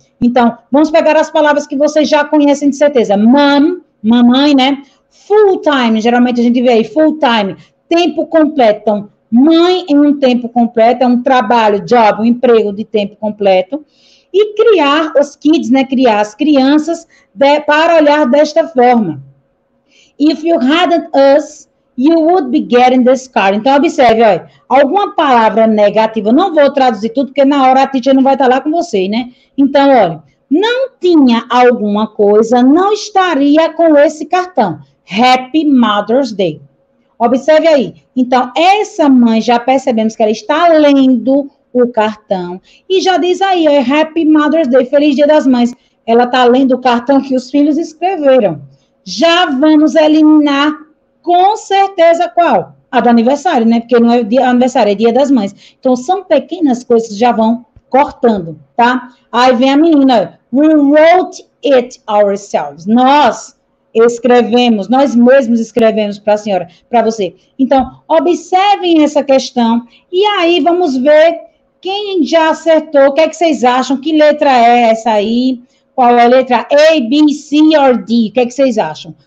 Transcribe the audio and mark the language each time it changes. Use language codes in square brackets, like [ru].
[pt] Então, vamos pegar as palavras que vocês já conhecem de certeza. Mom, mamãe, né? Full-time, geralmente a gente vê aí, full-time, tempo completo. Então, mãe em um tempo completo, é um trabalho, job, um emprego de tempo completo. E criar os kids, né? Criar as crianças para olhar desta forma. [en] If you hadn't us, you would be getting this card. [pt] Então, observe, olha, alguma palavra negativa, não vou traduzir tudo, porque na hora a teacher não vai estar lá com vocês, né? Então, olha, não tinha alguma coisa, não estaria com esse cartão. [en] Happy Mother's Day. [pt] Observe aí. Então, essa mãe, já percebemos que ela está lendo o cartão. E já diz aí, ó, [en] Happy Mother's Day, [pt] Feliz Dia das Mães. Ela está lendo o cartão que os filhos escreveram. Já vamos eliminar, com certeza, qual? A do aniversário, né? Porque não é dia aniversário, é dia das mães. Então, são pequenas coisas que já vão cortando, tá? Aí vem a menina, [en] we wrote it ourselves. [pt] Nós escrevemos, nós mesmos escrevemos para a senhora, para você. Então, observem essa questão e aí vamos ver quem já acertou, o que é que vocês acham, que letra é essa aí, qual é a letra A, B, C or D, o que é que vocês acham?